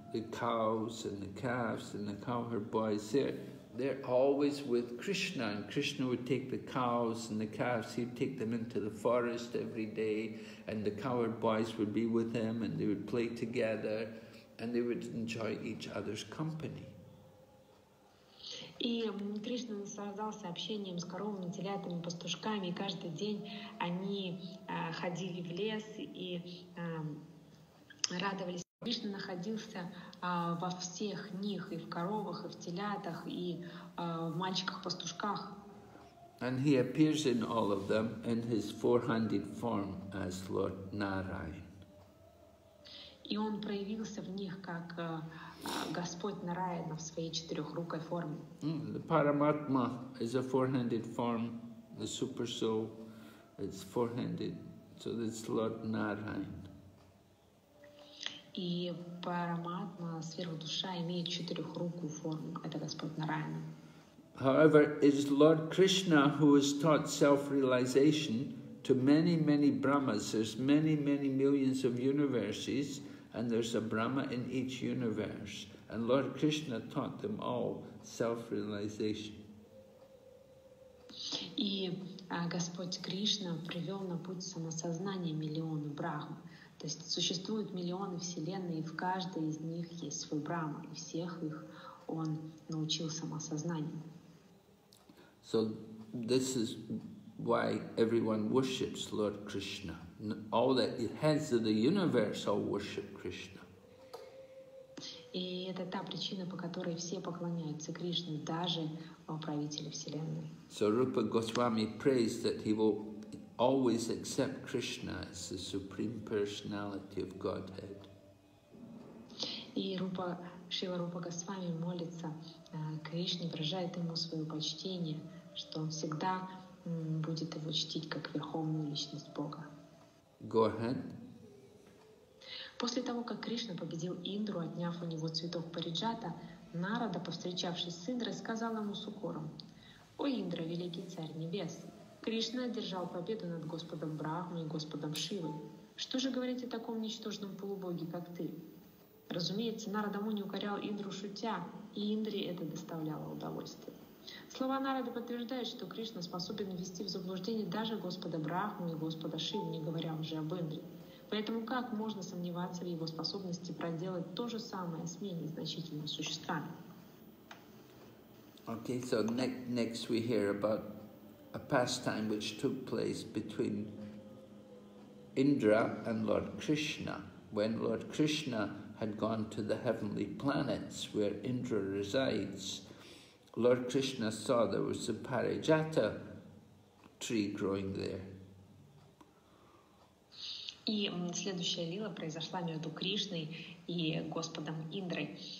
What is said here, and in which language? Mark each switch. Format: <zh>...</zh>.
<en>The cows and the calves and the cowherd boys, they're always with Krishna, and Krishna would take the cows and the calves, he'd take them into the forest every day, and the cowherd boys would be with him, and they would play together, and they would enjoy each other's company.</en> <ru>И Кришна наслаждался общением с коровами, телятами, пастушками. И каждый день они ходили в лес и радовались. Кришна находился во всех них, и в коровах, и в телятах, и в мальчиках-пастушках.</ru> <en>And he appears in all of them in his four-handed form as Lord Narayan.</en> <ru>И он проявился в них как Господь Нараяна в своей четырехрукой форме.</ru> <en>The Paramatma is a four-handed form, the Super Soul is four-handed, so that's Lord Narayan.</en> <ru>И Параматма, сверхдуша, имеет четырехрукую форму, это Господь Нараяна.</ru> <en>However, it is Lord Krishna who is taught self-realization to many, many Brahmas. There's many, many millions of universes, and there's a Brahma in each universe. And Lord Krishna taught them all self-realization.</en> <ru>И Господь Кришна привел на путь самосознания миллионы Брахм. То есть существуют миллионы вселенной, и в каждой из них есть свой Брахма, и всех их он научил самосознанию.</ru> <en>So this is why everyone worships Lord Krishna. All the heads of the universe all worship Krishna.</en> <ru>И это та причина, по которой все поклоняются Кришне, даже правители вселенной.</ru> <en>So Rupa Goswami prays that he will always accept Krishna as the Supreme Personality of Godhead.</en> <ru>И Рупа, Шрила Рупа Госвами молится Кришне, выражает ему свое почтение, что он всегда будет его чтить как верховную личность Бога.</ru> <en>Go ahead.</en> <ru>После того, как Кришна победил Индру, отняв у него цветок Париджата, Нарада, повстречавшись с Индрой, сказал ему с укором: «О Индра, великий царь небес! Кришна одержал победу над Господом Брахмой и Господом Шивой. Что же говорить о таком ничтожном полубоге, как ты?» Разумеется, Нарада Муни укорял Индру шутя, и Индре это доставляло удовольствие. Слова Нарады подтверждают, что Кришна способен ввести в заблуждение даже Господа Брахму и Господа Шиву, не говоря уже об Индре. Поэтому как можно сомневаться в его способности проделать то же самое с менее значительными существами?</ru> <en>Okay, so next we hear about a pastime which took place between Indra and Lord Krishna, when Lord Krishna had gone to the heavenly planets where Indra resides. Lord Krishna saw there was a Parijata tree growing there.</en> <ru>И следующая лила произошла между Кришной и Господом Индрой.</ru>